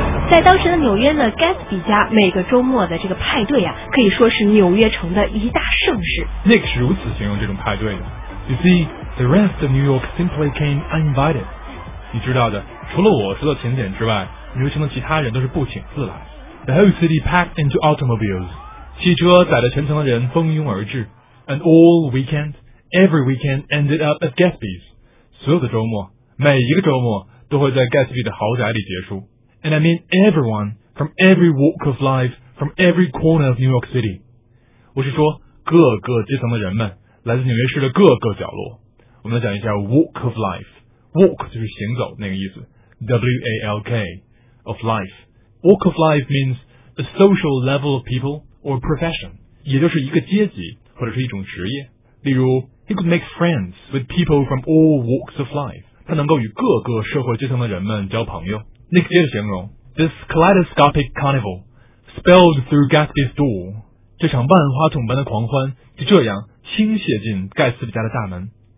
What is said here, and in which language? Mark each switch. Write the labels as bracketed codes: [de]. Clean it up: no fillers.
[zh] 在当时的纽约呢， Gatsby 家每个周末的这个派对啊，可以说是纽约城的一大盛事。 Nick 是如此形容这种派对的。 [en] You see, the rest of New York simply came uninvited. [zh] 你知道的，除了我收到请柬之外，纽约城的其他人都是不请自来。 [en] The whole city packed into automobiles. [zh] 汽车载着全城的人蜂拥而至。 [en] And all weekend, every weekend ended up at Gatsby's. [zh] 所有的周末，每一个周末都会在 Gatsby 的豪宅里结束。 [en] And I mean everyone, from every walk of life, from every corner of New York City. [zh] 我是说各个阶层的人们，来自纽约市的各个角落。我们来讲一下 [en] walk of life. Walk [zh] 就是行走那个意思， [en] W-A-L-K, of life. Walk of life means a social level of people or profession, [zh] 也就是一个阶级或者是一种职业。例如 [en] he could make friends with people from all walks of life. [zh] 他能够与各个社会阶层的人们交朋友。 [en] Nick [zh] 接着形容 [en] This kaleidoscopic carnival spilled through Gatsby's door. [zh] 这场万花筒般的狂欢就这样倾泻进盖茨比家的大门。